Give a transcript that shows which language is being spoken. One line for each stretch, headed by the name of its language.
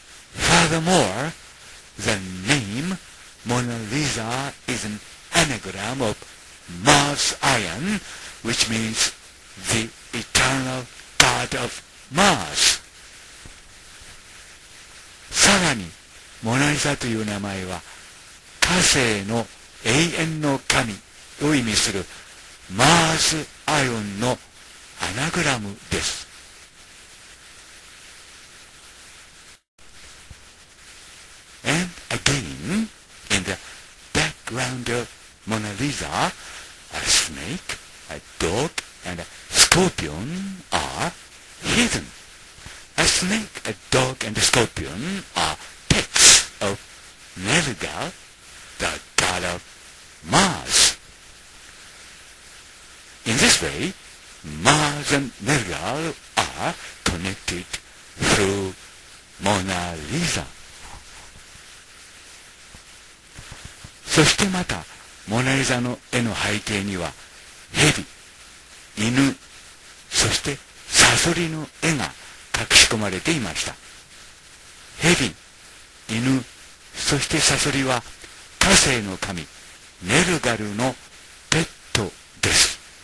English: Furthermore, the name Mona Lisa is an anagram of Mars Iron, which means the eternal god of Mars.
Japanese: さらにモナリザという名前は火星の永遠の神を意味するマーズアイオンのアナグラムです。
English: And again in the background of Mona Lisa a snake, a dog and a scorpion are hiddenA snake, a dog, and a scorpion are pets of Nergal, the god of Mars. In this way, Mars and Nergal are connected through Mona Lisa.
Japanese: そしてまた、モナリザの絵の背景には、蛇、犬、そしてサソリの絵が、隠し込まれていました。蛇、犬、そしてサソリは火星の神ネルガルのペットです。